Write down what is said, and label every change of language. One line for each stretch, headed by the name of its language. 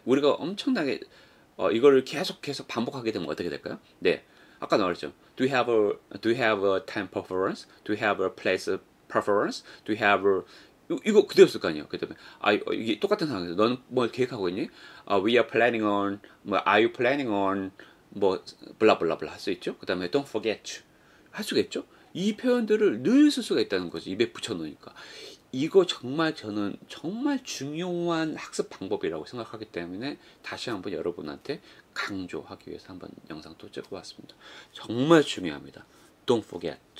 Korean: 우리가 엄청나게 이거를 계속 반복하게 되면 어떻게 될까요? 네, 아까 나왔죠.
English: Do you have a time preference? Do you have a place preference? Do you have a
Korean: 이거 그대로였을 거 아니에요. 그 다음에 이게 똑같은 상황에서 너는 뭘 계획하고 있니?
English: We are planning on, 뭐, are you planning on, 뭐, 블라블라블라
Korean: 할 수 있죠? 그 다음에
English: don't forget you
Korean: 할 수 있죠? 이 표현들을 늘 쓸 수가 있다는 거지. 입에 붙여놓으니까. 이거 정말 저는 정말 중요한 학습 방법이라고 생각하기 때문에 다시 한번 여러분한테 강조하기 위해서 한번 영상도 찍어봤습니다. 정말 중요합니다.
English: Don't forget.